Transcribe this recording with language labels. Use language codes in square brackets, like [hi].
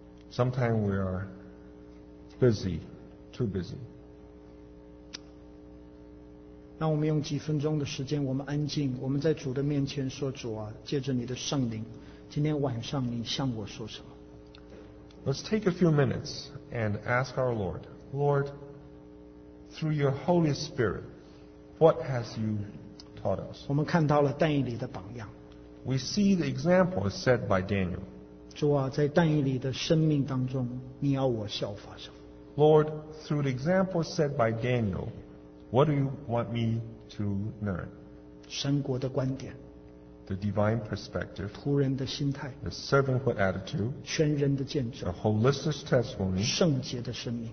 [en] Sometimes we are busy, too busy. [zh] 让我们用几分钟的时间，我们安静，我们在主的面前说：“主啊，借着你的圣灵，今天晚上你向我说什么？” [en] Let's take a few minutes and ask our Lord, Lord, through your Holy Spirit, what has you taught us? [zh] 我们看到了但以理的榜样。 [en] We see the example set by Daniel. [zh] 主啊，在但以理的生命当中，你要我效法什么？ [en] Lord, through the example set by Daniel, what do you want me to learn? [zh] 神国的观点。 [en] The divine perspective. [zh] 仆人的心态。 [en] The servanthood attitude. [zh] 全人的见证。 [en] The holistic testimony. [zh] 圣洁的生命。